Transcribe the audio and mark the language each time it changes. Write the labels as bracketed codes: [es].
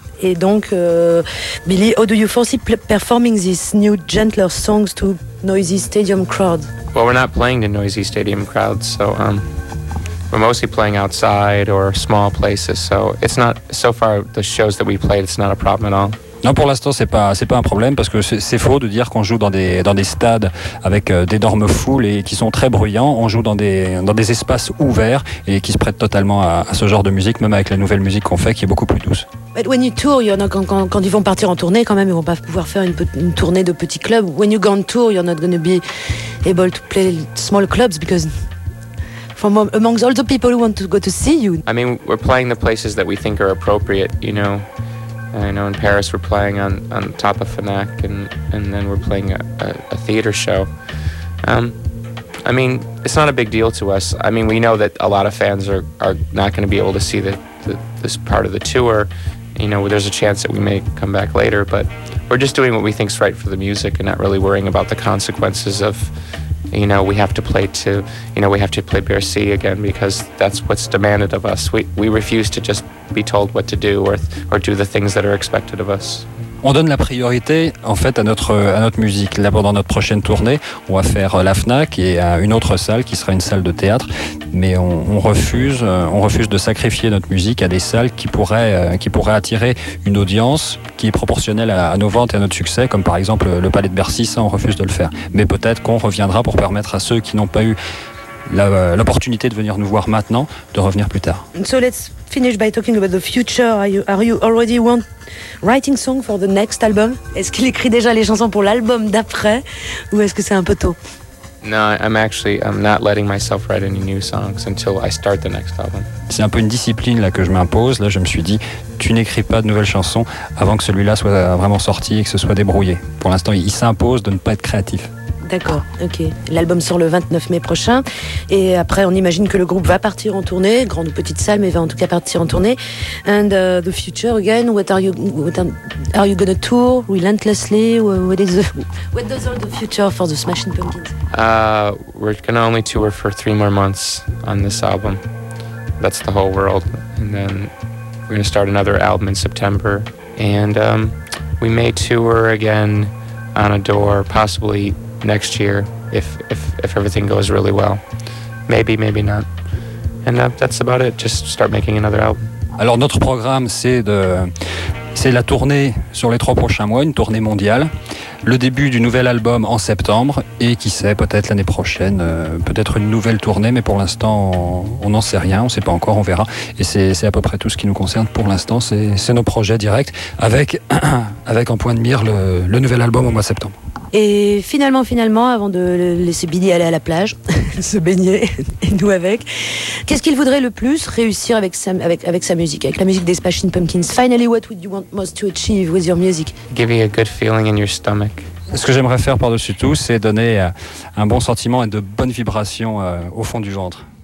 [fr] Et donc, [en] Billy, how do you foresee performing these new gentler songs to noisy stadium crowds? Well, we're not playing to noisy stadium crowds, so... We're mostly playing outside or small places, so it's not so far the shows that we played. It's not a problem at all. [fr] Non, pour l'instant, c'est pas un problème parce que c'est faux de dire qu'on joue dans des stades avec d'énormes foules et qui sont très bruyants. On joue dans des espaces ouverts et qui se prêtent totalement à ce genre de musique, même avec la nouvelle musique qu'on fait, qui est beaucoup plus douce. [en] But when you tour, you're not [fr] quand ils vont partir en tournée, quand même, ils vont pas pouvoir faire une tournée de petits clubs. [en] When you go on tour, you're not going to be able to play small clubs because amongst all the people who want to go to see you. I mean, we're playing the places that we think are appropriate, you know. I know in Paris we're playing on top of Fnac and then we're playing a theater show. I mean, it's not a big deal to us. I mean, we know that a lot of fans are not going to be able to see this part of the tour. You know, there's a chance that we may come back later, but we're just doing what we think's right for the music and not really worrying about the consequences of... You know, we have to play to, you know, we have to play Bercy again because that's what's demanded of us. We refuse to just be told what to do or do the things that are expected of us. [fr] On donne la priorité, en fait, à notre musique. Là, pendant notre prochaine tournée, on va faire la Fnac et à une autre salle qui sera une salle de théâtre. Mais on refuse de sacrifier notre musique à des salles qui pourraient attirer une audience qui est proportionnelle à nos ventes et à notre succès, comme par exemple le Palais de Bercy. Ça, on refuse de le faire. Mais peut-être qu'on reviendra pour permettre à ceux qui n'ont pas eu l'opportunité de venir nous voir maintenant de revenir plus tard. [en] So let's finish by talking about the future. Are you already writing song for the next album? [fr] Est-ce qu'il écrit déjà les chansons pour l'album d'après ou est-ce que c'est un peu tôt? [en] No, I'm not letting myself write any new songs until I start the next album. [fr] C'est un peu une discipline là que je m'impose. Là, je me suis dit, tu n'écris pas de nouvelles chansons avant que celui-là soit vraiment sorti et que ce soit débrouillé. Pour l'instant, il s'impose de ne pas être créatif. D'accord, ok. L'album sort le 29 mai prochain. Et après, on imagine que le groupe va partir en tournée, grande ou petite salle, mais va en tout cas partir en tournée. [en] And the future again, what are you going to tour relentlessly? What does all the future for the Smashing Pumpkins? We're going to only tour for 3 more months on this album. That's the whole world. And then we're going to start another album in September. And we may tour again on Adore, possibly... next year if everything goes really well, maybe not, and that's about it. Just start making another album. [fr] Alors notre programme c'est la tournée sur les 3 prochains mois, une tournée mondiale, le début du nouvel album en septembre, et qui sait, peut-être l'année prochaine, peut-être une nouvelle tournée, mais pour l'instant on n'en sait rien, on ne sait pas encore, on verra. Et c'est à peu près tout ce qui nous concerne pour l'instant, c'est nos projets directs avec en point de mire le nouvel album au mois de septembre. Et finalement, avant de laisser Billy aller à la plage, se baigner, et nous avec, qu'est-ce qu'il voudrait le plus réussir avec sa musique, avec la musique des Smashing Pumpkins? [en] Finally, what would you want most to achieve with your music? Give you a good feeling in your stomach. [fr] Ce que j'aimerais faire par-dessus tout, c'est donner un bon sentiment et de bonnes vibrations au fond du ventre.